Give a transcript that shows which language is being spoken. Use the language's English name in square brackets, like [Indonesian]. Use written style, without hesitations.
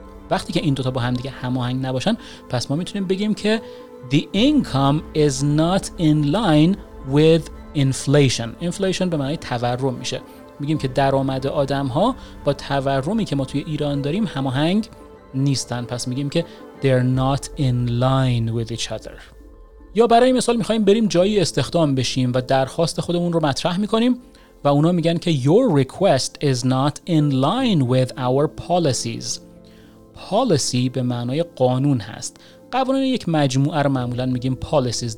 [Persian] وقتی که این دوتا با هم دیگه هماهنگ نباشن، پس ما میتونیم بگیم که [English] the income is not in line with inflation. [Persian] inflation به معنی تورم میشه. میگیم که درآمد آدمها با تورمی که ما توی ایران داریم هماهنگ نیستن. پس میگیم که [English] they're not in line with each other. [Persian] یا برای مثال میخوایم بریم جایی استخدام بشیم و درخواست خودمون رو مطرح میکنیم و اونا میگن که [English] your request is not in line with our policies. [Persian] policy به معنای قانون هست. قوانین یک مجموعه رو معمولا میگیم policies.